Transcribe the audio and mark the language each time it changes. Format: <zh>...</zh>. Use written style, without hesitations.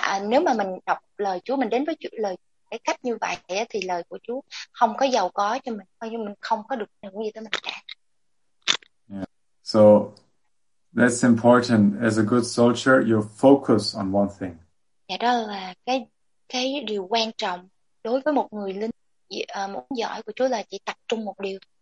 <vi>Nếu mà mình đọc lời Chúa, mình đến với Chúa, lời cái cách như vậy thì lời của Chúa không có giàu có cho mình, coi như mình không có được những gì tới mình cả.</vi> <en>Yeah. So that's important. As a good soldier, you focus on one thing.</en> <vi>Yeah, đó là cái điều quan trọng đối với một người lính giỏi của Chúa là chỉ tập trung một điều.</vi>